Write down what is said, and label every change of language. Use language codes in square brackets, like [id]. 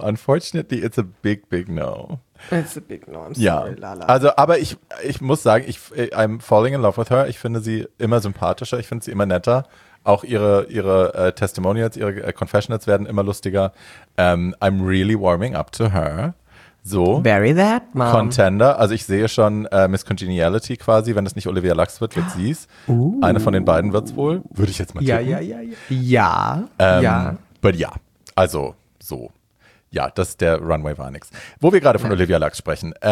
[en] Unfortunately, it's a big, big no. It's a big no, I'm sorry, ja. Lala. [de] Also, aber ich muss sagen, [en] I'm falling in love with her. [de] Ich finde sie immer sympathischer, ich finde sie immer netter. Auch ihre Testimonials, ihre Confessionals werden immer lustiger. [en] I'm really warming up to her. So. Very that, Mom. Contender. [de] Also ich sehe schon Miss Congeniality quasi, wenn es nicht Olivia Lux wird, wird sie es. Eine von den beiden wird es wohl. Würde ich jetzt mal tippen. Ja. [en] But [de] ja. Also, so. Ja, das ist der Runway war nix. Wo wir gerade von Olivia Lux sprechen.